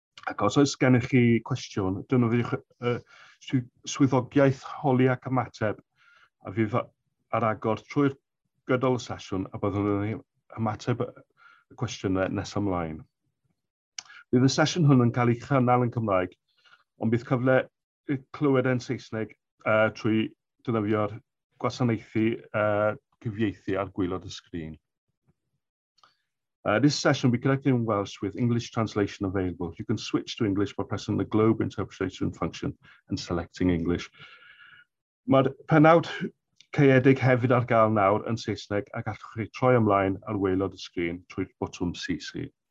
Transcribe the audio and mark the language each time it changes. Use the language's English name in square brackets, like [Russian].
[Welsh] Ac os oes gennych chi cwestiwn, dynyddiwch swyddogiaeth holi ac ymateb a fydd ar agor trwy'r gydol y sesiwn a byddwn ni ymateb y cwestiynau nes ymlaen. Bydd y sesiwn hwn yn cael ei chynnal yn Cymraeg, ond bydd cyfle clywed yn Saesneg trwy dynyddio'r gwasanaethu cyfieithu ar gwylod y sgrin. [English] This session will be connected in Welsh with English translation available. You can switch to English by pressing the globe interpretation function and selecting English. [Welsh] Mae'r penawd caeedig hefyd ar gael nawr yn Saesneg a gallwch chi troi ymlaen ar weilod y sgrin trwy'r botwm CC.